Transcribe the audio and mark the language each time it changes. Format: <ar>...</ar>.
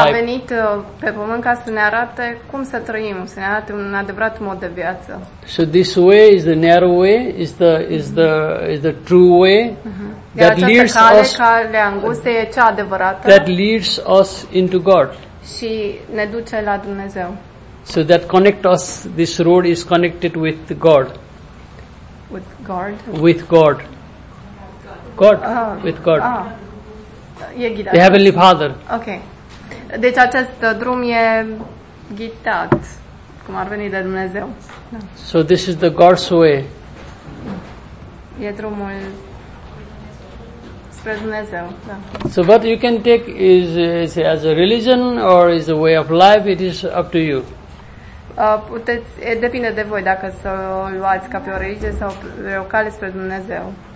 <ro>A venit pe pământ ca să ne arate cum să trăim, să ne arate un adevărat mod de viață.</ro> <en>So this way is the narrow way, is the true way that leads us.</en> <ro>Calea îngustă e cea adevărată.</ro> <en>That leads us into God.</en> <ro>Și ne duce la Dumnezeu.</ro> <en>So that connect us. This road is connected with God. With God. With God. God. With God.</en> <ro>E ghidat.</ro> <en>The Heavenly Father.</en> <ro>Okay. Deci acest drum e ghidat, cum ar veni de Dumnezeu.</ro> <en>Da. So this is the God's way.</en> <ro>E drumul spre Dumnezeu, da.</ro> <en>So what you can take is as a religion or is a way of life, it is up to you.</en> <ro>Puteți, e depinde de voi dacă să o luați ca pe o religie sau pe o cale spre Dumnezeu.</ro>